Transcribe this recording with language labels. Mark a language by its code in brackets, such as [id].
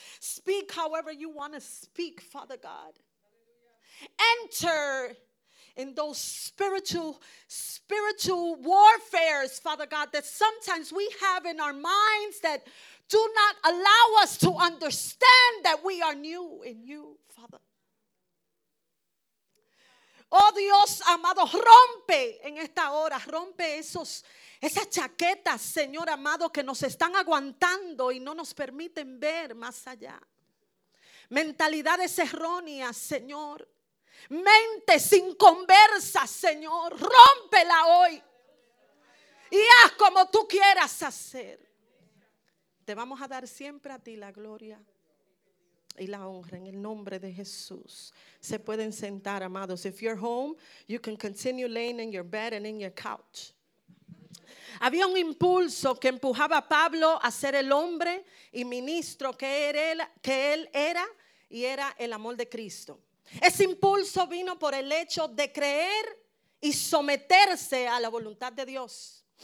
[en] Speak however you want to speak, Father God. Enter in those spiritual warfares, Father God, that sometimes we have in our minds that do not allow us to understand that we are new in you, Father. [es] Oh Dios amado, rompe en esta hora, rompe esas chaquetas, Señor amado, que nos están aguantando y no nos permiten ver más allá. mentalidades erróneas, Señor. Mente sin conversa, Señor, rómpela hoy y haz como tú quieras hacer. Te vamos a dar siempre a ti la gloria y la honra en el nombre de Jesús. Se pueden sentar, amados. [en] If you're home, you can continue laying in your bed and in your couch. [es] Había un impulso que empujaba a Pablo a ser el hombre y ministro que él era, y era el amor de Cristo. Ese impulso vino por el hecho de creer y someterse a la voluntad de Dios.